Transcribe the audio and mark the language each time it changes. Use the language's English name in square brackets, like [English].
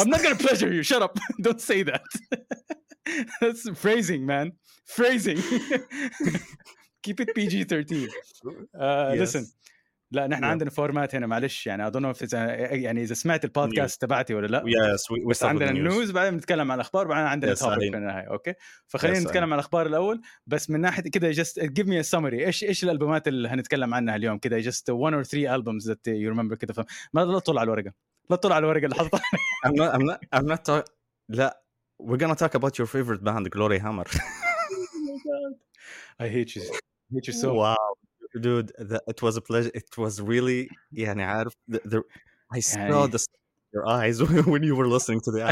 [English] I'm not going to pleasure you, shut up, don't say that, that's phrasing, man, phrasing. Keep it PG-13. Listen, [Arabic] لا نحن عندنا فورمات هنا, معلش يعني [English] I don't know if it's [Arabic] يعني إذا سمعت البودكاست تبعتي ولا لا. Yes, we start عندنا النيوز بعدين نتكلم عن الأخبار وبعدين عندنا topic في النهاية, أوكي؟ فخلينا نتكلم عن الأخبار الأول, بس من ناحية كده [English] just give me a summary, [Arabic] إيش الألبومات اللي هنتكلم عنها اليوم كده, [English] just one or three albums that you remember [Arabic] كده. ما تطلع على الورقة, لا تطلع على الورقة اللي حاطها. [English] I'm not [Arabic] لا, [English] we're gonna talk about your favorite band, Glory Hammer. I hate you, so wow. Dude, it was a pleasure. It was really, [Arabic] يعني عارف, [English] I saw يعني, the your eyes when you were listening to the album.